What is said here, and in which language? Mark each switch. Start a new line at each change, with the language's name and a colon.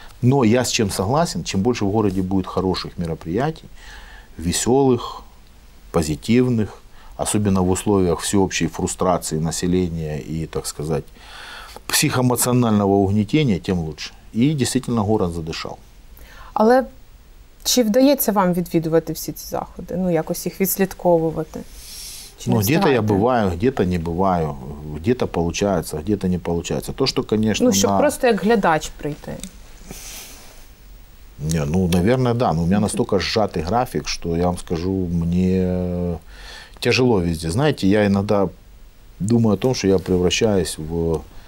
Russian: Но я с чем согласен, чем больше в городе будет хороших мероприятий, веселых, позитивных, особенно в условиях всеобщей фрустрации населения и, так сказать, психоэмоционального угнетения, тем лучше. И действительно город задышал.
Ukrainian: Але чи вдається вам відвідувати всі ці заходи, ну якось їх відслідковувати?
Russian: Ну, где-то я бываю, где-то не бываю, где-то получается, где-то не получается. То, что, конечно, ну, чтобы просто как глядач прийти. Не, ну, наверное, да. Но у меня настолько сжатый график, что я вам скажу, мне тяжело везде. Знаете, я иногда думаю о том, что я превращаюсь в